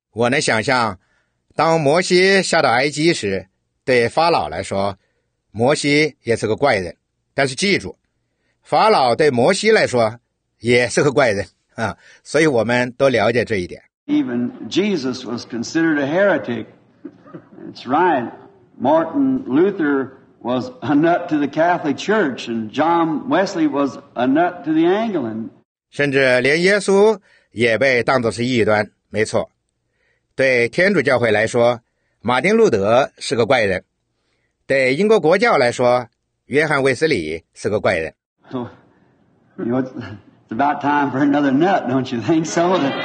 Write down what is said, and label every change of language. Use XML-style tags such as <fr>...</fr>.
<zh>我能想象，当摩西下到埃及时，对法老来说，摩西也是个怪人。但是记住，法老对摩西来说也是个怪人啊。所以我们都了解这一点。</zh> <en>Even Jesus was considered a heretic. That's right. Martin Luther was a nut to the Catholic Church, and John Wesley was a nut to the Anglican.</en> <zh>甚至连耶稣也被当作是异端，没错。对天主教会来说，马丁路德是个怪人；对英国国教来说，约翰卫斯理是个怪人。</zh> <en>So, you know, it's about time for another nut, don't you think so?</en>